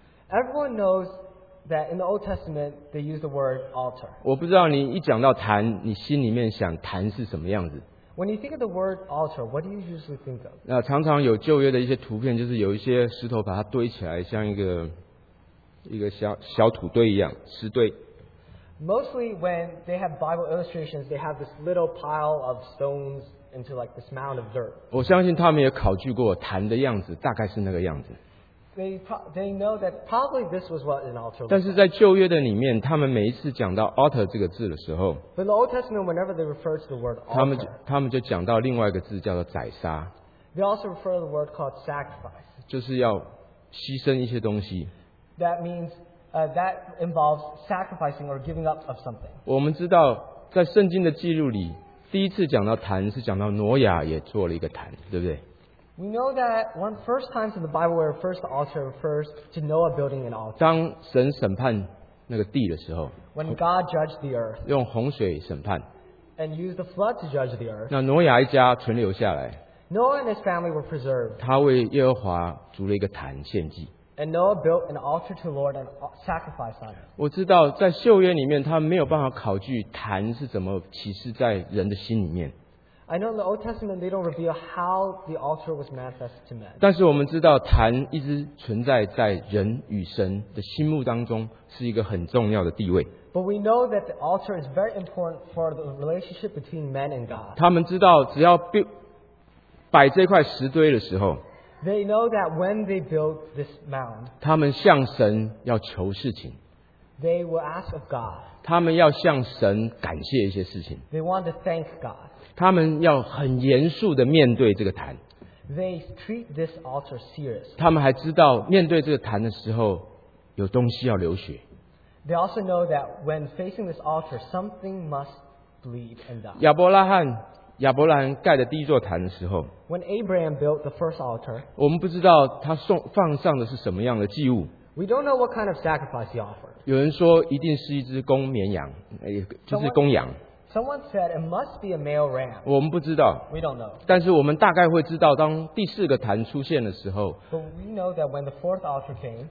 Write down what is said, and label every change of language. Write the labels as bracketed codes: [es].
[en] Everyone knows that in the Old Testament they use the word altar. [zh] 我不知道你一讲到“坛”，你心里面想“坛”是什么样子。 [en] When you think of the word altar, what do you usually think of? [zh] 那常常有旧约的一些图片，就是有一些石头把它堆起来，像一个小土堆一样，石堆。 [en] Mostly when they have Bible illustrations, they have this little pile of stones. Into like this mound of dirt. [zh] 我相信他们也考据过坛的样子，大概是那个样子。 [en] They know that probably this was what an altar. [zh] 但是在旧约的里面，他们每一次讲到 altar 这个字的时候 [en] ，But in the Old Testament, whenever they refer to the word altar, [zh] 他们就讲到另外一个字叫做宰杀。 [en] They also refer to the word called sacrifice. [zh] 就是要牺牲一些东西。 [en] That means that involves sacrificing or giving up of something. [zh] 我们知道在圣经的记录里。第一次讲到坛是讲到挪亚也做了一个坛，对不对 [en] ？We know that one first times in the Bible where first altar refers to Noah building an altar. [zh] 当神审判那个地的时候 [en] ，When God judged the earth， [zh] 用洪水审判 [en] ，And used the flood to judge the earth. [zh] 那挪亚一家存留下来 [en] ，Noah and his family were preserved. [zh] 他为耶和华筑了一个坛献祭 [en] ，And Noah built an altar to the Lord and sacrificed on it. [zh] 我知道在旧约里面，他没有办法考据坛是怎么启示在人的心里面。 [en] I know in the Old Testament they don't reveal how the altar was manifested to men. [zh] 但是我们知道坛一直存在在人与神的心目当中，是一个很重要的地位。 [en] But we know that the altar is very important for the relationship between men and God. [zh] 他们知道只要摆这块石堆的时候 [en] ，They know that when they build this mound, [zh] 他们向神要求事情。 [en] They will ask of God. [zh] 他们要向神感谢一些事情。 [en] They want to thank God. [zh] 他们要很严肃地面对这个坛。 [en] They treat this altar serious. [zh] 他们还知道面对这个坛的时候有东西要流血。 [en] They also know that when facing this altar, something must bleed and die. [zh] 亚伯拉罕盖的第一座坛的时候 [en] ，When Abraham built the first altar, [zh] 我们不知道他放上的是什么样的祭物。 [en] We don't know what kind of sacrifice he offered. [zh] 有人说一定是一只公绵羊，就是公羊。 [en] Someone said it must be a male ram. [zh] 我们不知道。 [en] We don't know. [zh] 但是我们大概会知道，当第四个坛出现的时候 [en] ，But we know that when the fourth altar came,